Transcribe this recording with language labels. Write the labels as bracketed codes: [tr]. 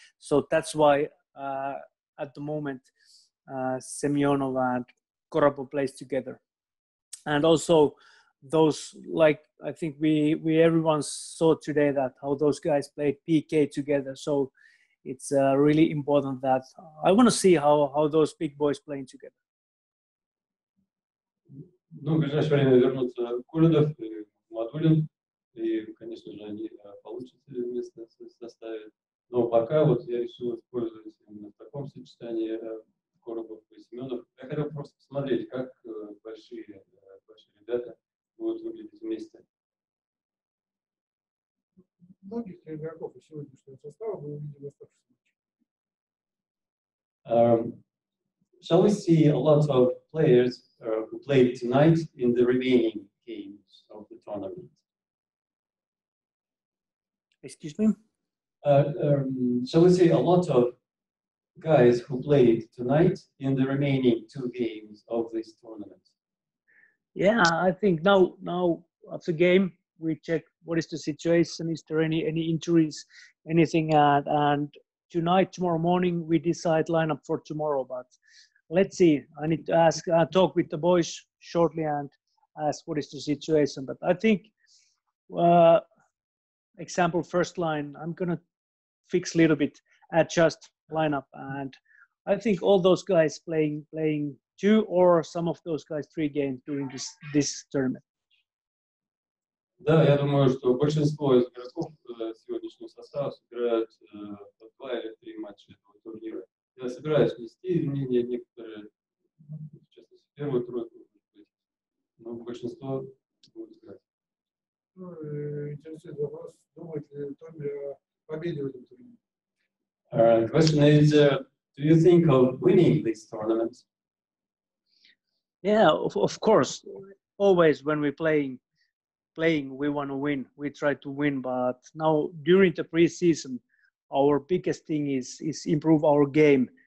[en] So that's why at the moment, Semyonov and Korobov plays together. And also those, like, I think we everyone saw today that how those guys played PK together. So it's really important that I want to see how those big boys playing together. [ru] Ну, в ближайшее время вернутся Кулидов и Мадулин, и, конечно же, они получат место в составе. Но пока вот я решил использовать именно в таком сочетании Коробов и Семенов. Я хотел просто посмотреть, как большие ребята будут выглядеть вместе. Многих игроков из сегодняшнего состава вы увидели оставшихся матчей. [en] Shall we see a lot of players who played tonight in the remaining games of the tournament? Excuse me? Shall we see a lot of guys who played tonight in the remaining two games of this tournament? Yeah, I think now after game we check what is the situation, is there any injuries, anything, and tonight, tomorrow morning, we decide lineup for tomorrow, but let's see. I need to ask, talk with the boys shortly and ask what is the situation. But I think, example, first line, I'm going to fix a little bit, adjust lineup. And I think all those guys playing two or some of those guys three games during this tournament. [ru] Да, я думаю, что большинство из игроков сегодняшнего состава сыграют по два или три матча этого турнира. Я собираюсь внести изменения некоторые, в частности, первую тройку, может быть, но большинство будет играть. Ну, интересует вопрос, думает ли Томми о победе в этом турнире? [en] Question is, do you think of winning this tournament? Yeah, of course. Always when we're playing, we want to win. We try to win, but now during the preseason, our biggest thing is improve our game.